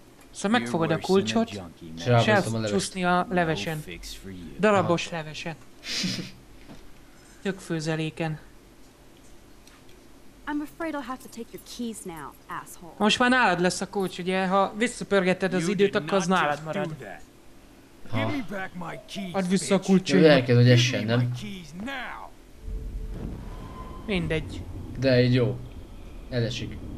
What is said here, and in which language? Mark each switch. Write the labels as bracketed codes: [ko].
[hu] Szóval megfogod a kulcsot, és elcsúszni a levesen. Darabos levesen. Tök főzeléken. [en] I'm afraid I'll have to take your keys now, asshole. [hu] Most már nálad lesz a kulcs, ugye? Ha visszapörgeted az időt, akkor az nálad marad. Ha. Add vissza a kulcsot. Jó, elkezd, hogy essen, nem? Mindegy. De így jó. Elesik.